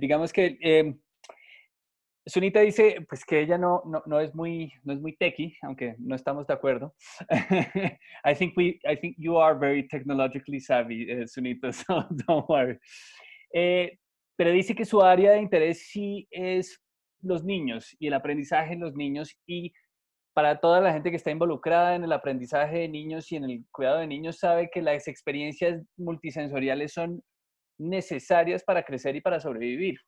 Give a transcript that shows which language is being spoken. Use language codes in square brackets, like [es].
[es] Digamos que Sunita dice pues que ella no es muy techy, aunque no estamos de acuerdo. [en] I think you are very technologically savvy, Sunita, so don't worry. [es] Pero dice que su área de interés sí es los niños y el aprendizaje en los niños, y para toda la gente que está involucrada en el aprendizaje de niños y en el cuidado de niños, sabe que las experiencias multisensoriales son necesarias para crecer y para sobrevivir.